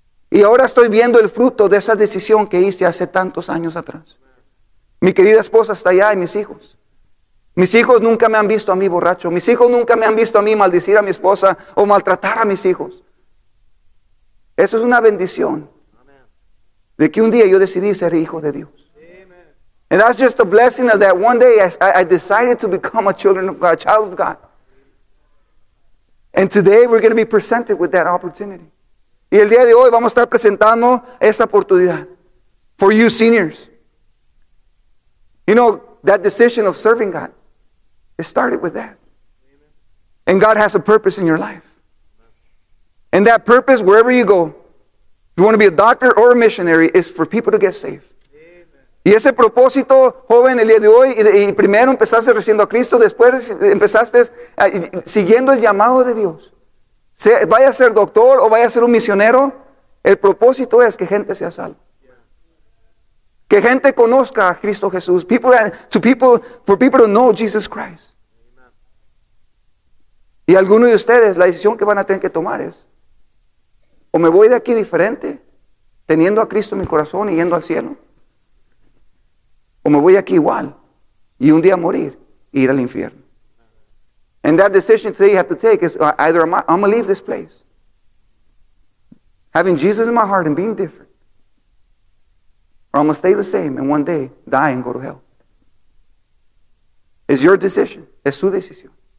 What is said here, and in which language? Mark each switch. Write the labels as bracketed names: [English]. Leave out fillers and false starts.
[Spanish] Y ahora estoy viendo el fruto de esa decisión que hice hace tantos años atrás. Mi querida esposa está allá y mis hijos. Mis hijos nunca me han visto a mí borracho. Mis hijos nunca me han visto a mí maldecir a mi esposa o maltratar a mis hijos. Eso es una bendición de que un día yo decidí ser hijo de Dios. [English] And that's just a blessing of that one day I decided to become a child of God. And today we're going to be presented with that opportunity. [Spanish] Y el día de hoy vamos a estar presentando esa oportunidad [English] for you seniors. You know, that decision of serving God, it started with that. And God has a purpose in your life. And that purpose, wherever you go, if you want to be a doctor or a missionary, is for people to get saved. [Spanish] Y ese propósito, joven, el día de hoy, y primero empezaste recibiendo a Cristo, después empezaste siguiendo el llamado de Dios. Vaya a ser doctor o vaya a ser un misionero, el propósito es que gente sea salva. Que gente conozca a Cristo Jesús. [English] For people to know Jesus Christ. [Spanish] Y alguno de ustedes, la decisión que van a tener que tomar es, o me voy de aquí diferente, teniendo a Cristo en mi corazón y yendo al cielo, o me voy aquí igual, y un día morir, y ir al infierno. [English] And that decision today you have to take is either I'm going to leave this place, having Jesus in my heart and being different, or I'm going to stay the same and one day die and go to hell. It's your decision. [Spanish] Es su decisión.